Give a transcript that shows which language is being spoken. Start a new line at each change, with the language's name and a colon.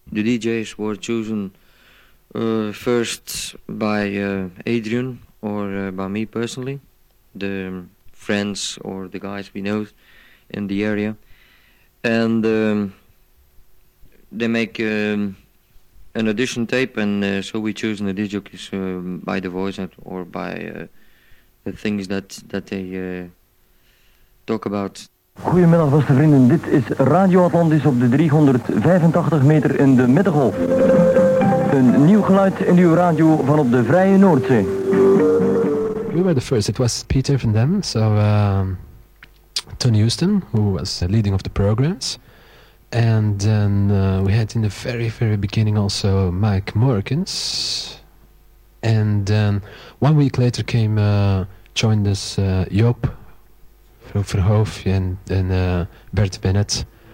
English: The DJs were chosen first by Adrian or by me personally, the friends or the guys we know in the area. And they make an audition tape, and so we choose the DJ by the voice or by the things that they talk about.
Dutch: Goedemiddag, beste vrienden. Dit is Radio Atlantis op de 385 meter in de Middengolf. Een nieuw geluid in uw radio van op de Vrije Noordzee.
English: We were the first. It was Peter van Dam, so Tony Houston, who was the leading of the programs. And then we had in the very, very beginning also Mike Morkins. And then 1 week later came, joined us Joop Verhoef and Bert Bennett.